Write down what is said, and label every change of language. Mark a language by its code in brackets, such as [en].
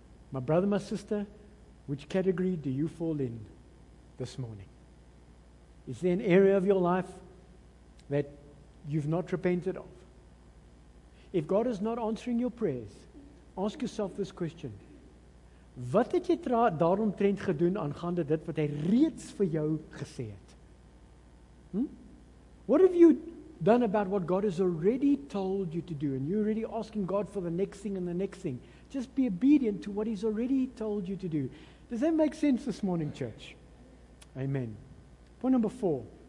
[en] My brother, my sister, which category do you fall in this morning? Is there an area of your life that you've not repented of? If God is not answering your prayers, ask yourself this question. [af] Wat het jy daaromtrent gedoen aangaande dit wat hy reeds vir jou gesê het? [en] What have you done about what God has already told you to do? And you're already asking God for the next thing and the next thing. Just be obedient to what he's already told you to do. Does that make sense this morning, church? Amen. Point number four.